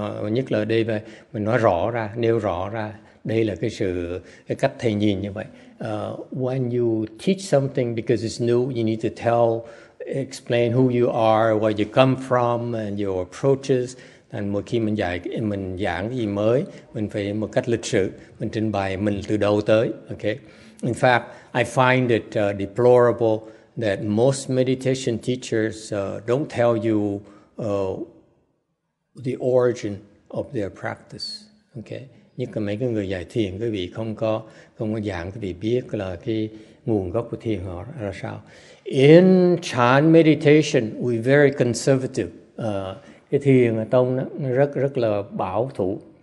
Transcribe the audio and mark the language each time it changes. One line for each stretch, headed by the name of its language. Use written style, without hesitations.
Vietnamese: Nhất là đây vậy, mình nói rõ ra, nêu rõ ra, đây là cái sự cái cách thầy nhìn như vậy.
English: When you teach something because it's new, you need to tell, explain who you are, where you come from, and your approaches.
Vietnamese: And mỗi khi mình giảng gì mới, mình phải một cách lịch sự, mình trình bày mình từ đâu tới.
English: Okay. In fact, I find it deplorable that most meditation teachers don't tell you. The origin of their practice, okay.
Vietnamese: Nhất là mấy cái người dạy thiền, quý vị không có giảng, quý vị biết là cái nguồn gốc của thiền họ là sao.
English: In Chan meditation, we very conservative.
Vietnamese: Cái thiền tông đó, nó rất rất là bảo thủ.